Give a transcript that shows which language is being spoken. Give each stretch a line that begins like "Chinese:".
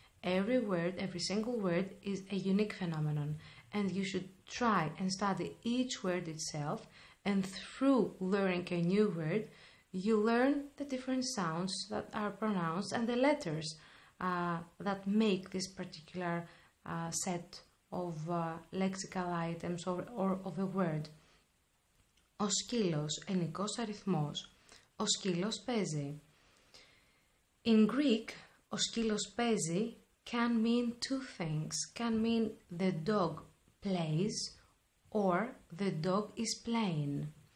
English: Every word, every single word is a unique phenomenon, and you should try and study each word itself, and through learning a new word, you learn the different sounds that are pronounced and the letters that make this particular set of lexical items or of a word.
Greek: Ο σκύλος, ενικός αριθμός. Ο σκύλος παίζει.
English: In Greek,
Greek: ο σκύλος παίζει
English: can mean two things. Can mean the dog plays or the dog is playing.